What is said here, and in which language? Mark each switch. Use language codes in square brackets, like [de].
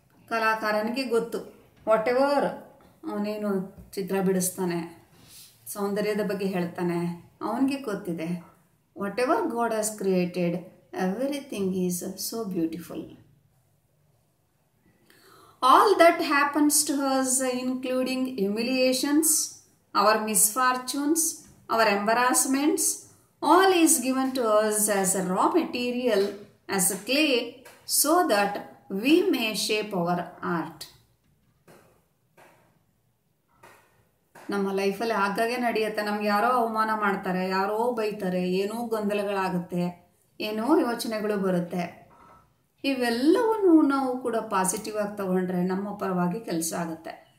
[kn] ಕಲಾಕಾರನಿಗೆ ಗೊತ್ತು [en] whatever [kn] ಅವನೇನು ಚಿತ್ರ ಬಿಡಿಸ್ತಾನೆ, ಸೌಂದರ್ಯದ ಬಗ್ಗೆ ಹೇಳ್ತಾನೆ, ಅವನಿಗೆ ಗೊತ್ತಿದೆ. [en] Whatever God has created, everything is so beautiful. All that happens to hers including humiliations, our misfortunes, our embarrassments, all is given to us as a raw material, as a clay, so that we may shape our art. [kn] ನಮ್ಮ ಲೈಫಲ್ಲಿ ಆಗಾಗೆ ನಡೆಯುತ್ತೆ, ನಮ್ಗೆ ಯಾರೋ ಅವಮಾನ ಮಾಡ್ತಾರೆ, ಯಾರೋ ಬೈತಾರೆ, ಏನೋ ಗೊಂದಲಗಳಾಗುತ್ತೆ, ಏನೋ ಯೋಚನೆಗಳು ಬರುತ್ತೆ. ಇವೆಲ್ಲವನ್ನೂ ನಾವು ಕೂಡ ಪಾಸಿಟಿವ್ ಆಗಿ ತಗೊಂಡ್ರೆ ನಮ್ಮ ಪರವಾಗಿ ಕೆಲಸ ಆಗುತ್ತೆ.